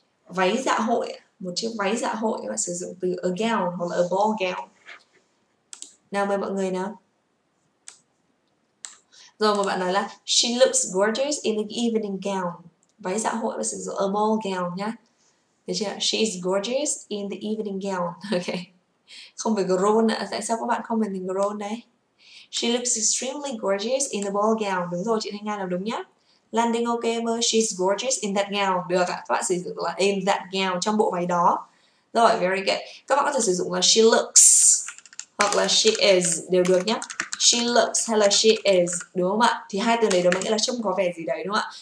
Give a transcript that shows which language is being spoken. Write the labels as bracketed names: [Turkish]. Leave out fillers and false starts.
[Vietnamese] Váy dạ hội, một chiếc váy dạ hội các bạn sử dụng từ a gown hoặc là a ball gown. Nào mời mọi người nào. Rồi một bạn nói là [English] she looks gorgeous in an evening gown. [Vietnamese] Váy dạ hội và sử dụng a ball gown nhá. Được chưa? [English] She is gorgeous in the evening gown. Okay. [Vietnamese] Không phải grown ạ. [English] À. [Vietnamese] Tại sao các bạn không phải grown đấy? [English] She looks extremely gorgeous in the ball gown. [Vietnamese] Đúng rồi, chị Thanh Nga làm đúng nhá. Landing ok mơ. [English] She's gorgeous in that gown. [Vietnamese] Được ạ. À. Các bạn sử dụng là in that gown, trong bộ váy đó. Rồi, very good. Các bạn có thể sử dụng là [English] she looks [Vietnamese] hoặc là [English] she is [Vietnamese] đều được nhá. [English] She looks [Vietnamese] hay là [English] she is, [Vietnamese] đúng không ạ? Thì hai từ này đều nghĩa là trông có vẻ gì đấy, đúng không ạ?